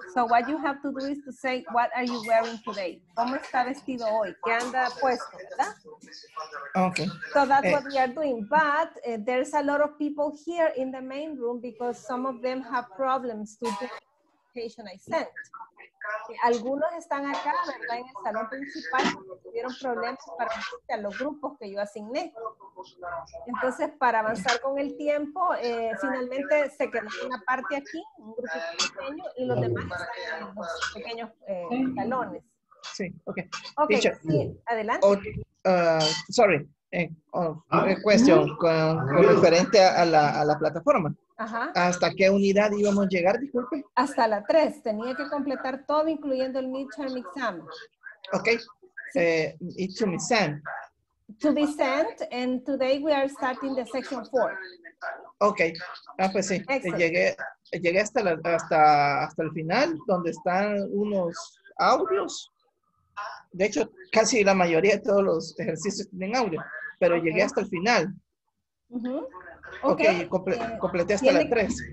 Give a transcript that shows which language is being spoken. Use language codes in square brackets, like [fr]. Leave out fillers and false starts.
[en] So what you have to do is to say, what are you wearing today? [es] ¿Cómo está vestido hoy? ¿Qué anda puesto, verdad? [en] Okay. So that's what we are doing. But there's a lot of people here in the main room because some of them have problems to the presentation I sent. [es] Algunos están acá, ¿verdad? En el salón principal, porque tuvieron problemas para asistir a los grupos que yo asigné. Entonces, para avanzar con el tiempo, finalmente se quedó una parte aquí, un grupo pequeño, y los demás están en los pequeños salones. Sí, ok. Ok, teacher, sí, adelante. Cuestión con referente a la plataforma. Ajá. ¿Hasta qué unidad íbamos a llegar, disculpe? Hasta la 3. Tenía que completar todo, incluyendo el midterm exam. [en] Ok. Sí. It's to be sent. To be sent, and today we are starting the section 4. [es] Ok. Ah, pues sí. Llegué hasta el final, donde están unos audios. De hecho, casi la mayoría de todos los ejercicios tienen audio, pero okay. Llegué hasta el final. [en] Okay, [es] completé hasta la 3.